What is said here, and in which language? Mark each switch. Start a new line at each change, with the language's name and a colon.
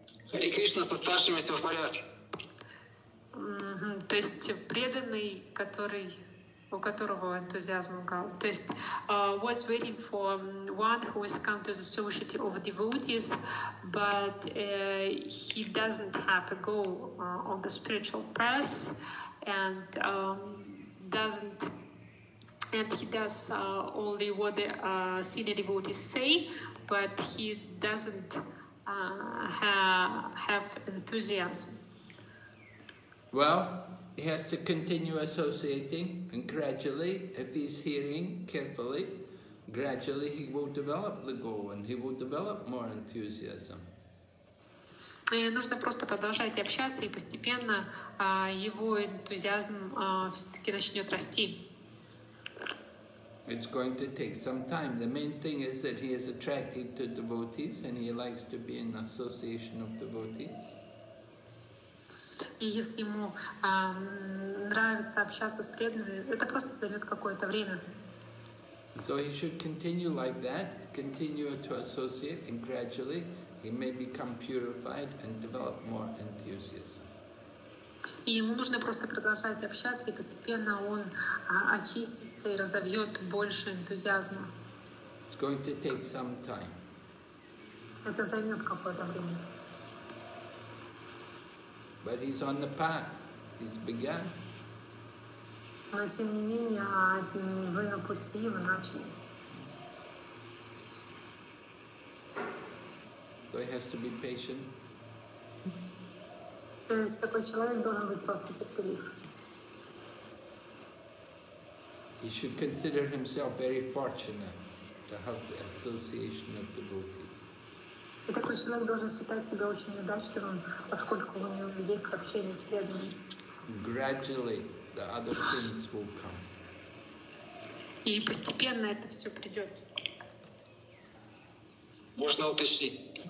Russian: Харе Кришна, со старшими все в порядке. То есть преданный, который... у которого энтузиазм угас. То есть,
English: was waiting for one who has come to the society of devotees, but he doesn't have a goal on the spiritual path, and he does only what the senior devotees say, but he doesn't have enthusiasm. Well, he has to continue associating, and gradually, if he's hearing carefully, gradually he will develop the goal and he will develop more enthusiasm.
Russian: Нужно просто продолжать общаться, и постепенно его энтузиазм все-таки начнет расти.
English: It's going to take some time. The main thing is that he is attracted to devotees and he likes to be in association of devotees.
Russian: И если ему нравится общаться с преданными, это просто займет какое-то время.
English: So he should continue like that, continue to associate, and gradually he may become purified and develop more enthusiasm.
Russian: И ему нужно просто продолжать общаться, и постепенно он очистится и разовьет больше энтузиазма.
English: It's going to take some time.
Russian: Это займет какое-то время.
English: But he's on the path. He's begun.
Russian: Но тем не менее, вы на пути, вы начали.
English: So he has to be patient.
Russian: То есть такой человек должен быть просто терпелив.
English: He should consider himself very fortunate to have the association of devotees.
Russian: И такой человек должен считать себя очень удачливым, поскольку у него есть общение с преданными.
English: Gradually the other things will come.
Russian: И постепенно это все придет. Можно уточнить?